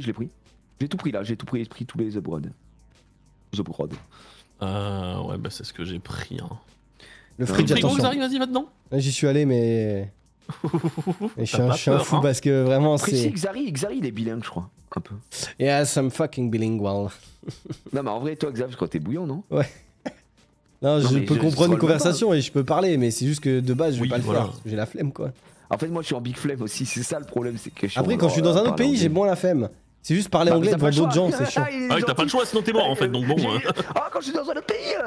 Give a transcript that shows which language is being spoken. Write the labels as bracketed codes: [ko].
[fr] J'ai tout pris, tous les upgrades. Ouais, bah c'est ce que j'ai pris. Hein. Le fridge, attention. Vous arrivez, vas-y, va dedans. Là, j'y suis allé, mais. Et je suis un fou parce que vraiment après, c'est... Xari il est bilingue je crois, un peu. [en] Yes, I'm fucking bilingual. [fr] Non mais en vrai toi Xav, je crois que t'es bouillant, non? Ouais. Non, je peux comprendre une conversation et je peux parler, mais c'est juste que de base, je vais pas le faire. J'ai la flemme, quoi. En fait, moi, je suis en big flemme aussi. C'est ça le problème. C'est que après, quand je suis dans un autre pays, j'ai moins la flemme. C'est juste parler anglais pour d'autres gens, c'est chiant. Ah, t'as pas le choix, sinon t'es mort en fait. Donc bon. Ah, quand je suis dans un autre pays.